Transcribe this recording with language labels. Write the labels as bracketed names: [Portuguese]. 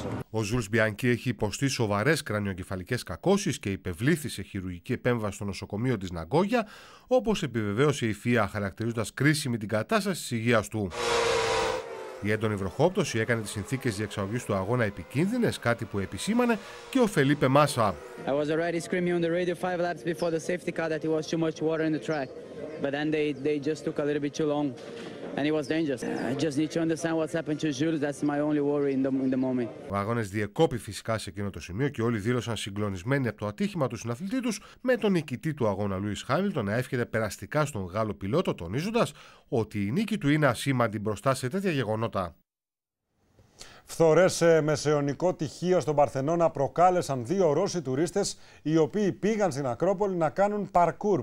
[Greek] Ο Ζουλς Μπιανκί έχει υποστεί σοβαρές κρανιοκεφαλικές κακώσεις και υπευλήθη σε χειρουργική επέμβαση στο νοσοκομείο της Ναγκόγια, όπως επιβεβαίωσε η ΦΙΑ, χαρακτηρίζοντας κρίσιμη την κατάσταση της υγείας του. Η έντονη βροχόπτωση έκανε τις συνθήκες διεξαγωγής του αγώνα επικίνδυνες, κάτι που επισήμανε και ο Φελίπε Μάσα. [English] I was already screaming on the radio 5 laps before the safety car that it was too much water in the track. But then they just took a little bit too long. And it was dangerous. I just need to understand what's happened to Jules. That's my only worry in the moment. [Greek] Ο αγώνας διεκόπη φυσικά σε εκείνο το σημείο και όλοι δήλωσαν συγκλονισμένοι από το ατύχημα του συναθλητή τους, με τον νικητή του αγώνα Lewis Hamilton να εύχεται περαστικά στον Γάλλο πιλότο, τονίζοντας ότι η νίκη του είναι ασήμαντη μπροστά σε τέτοια γεγονότα. Φθορές σε μεσαιωνικό τυχείο στον Παρθενώνα προκάλεσαν δύο Ρώσοι τουρίστες, οι οποίοι πήγαν στην Ακρόπολη να κάνουν παρκούρ.